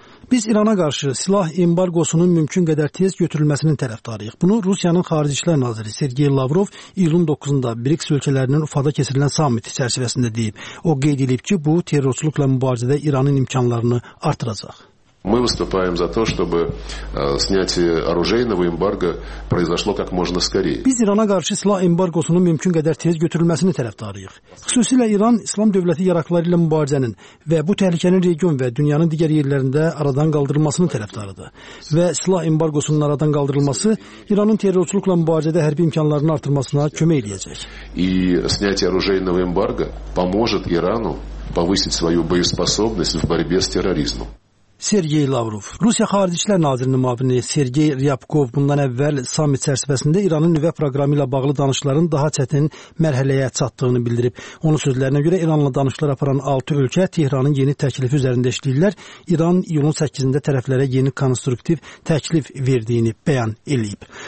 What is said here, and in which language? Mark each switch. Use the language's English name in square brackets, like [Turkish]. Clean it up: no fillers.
[Azerbaijani] Biz İrana qarşı silah embargosunun mümkün qədər tez götürülməsinin tərəfdarıyıq. Bunu Rusiyanın xarici işlər naziri Sergey Lavrov iyulun 9-da BRICS ölkələrinin Ufada keçirilən samiti çərçivəsində deyib. O qeyd edib ki, bu terrorçuluqla mübarizədə İranın imkanlarını artıracaq. [Russian] Мы выступаем за то, чтобы снятие оружейного эмбарго произошло как можно скорее. [Azerbaijani] Biz İrana qarşı silah embargosunun mümkün qədər tez götürülməsini tərəfdarıyıq. Xüsusilə İran İslam dövləti yaraqları ilə mübarizənin və bu təhlükənin region və dünyanın digər yerlərində aradan qaldırılmasını tərəfdarıdır. Və silah embargosunun aradan qaldırılması İranın terrorçuluqla mübarizədə hərbi imkanlarını artırmasına kömək edəcək. [Russian] И снятие оружейного эмбарго поможет Ирану повысить свою боеспособность в борьбе с терроризмом. [Azerbaijani] Sergey Lavrov, Rusiya Xarici İşlər Nazirinin müavini Sergey Ryabkov bundan əvvəl samit çərçivəsində İranın nüvə proqramı ilə bağlı danışıqların daha çətin mərhələyə çatdığını bildirib. Onun sözlərinə görə İranla danışıqlar aparan 6 ölkə Tehranın yeni təklifi üzərində işləyirlər. İran iyulun 8-də tərəflərə yeni konstruktiv təklif verdiyini bəyan edib.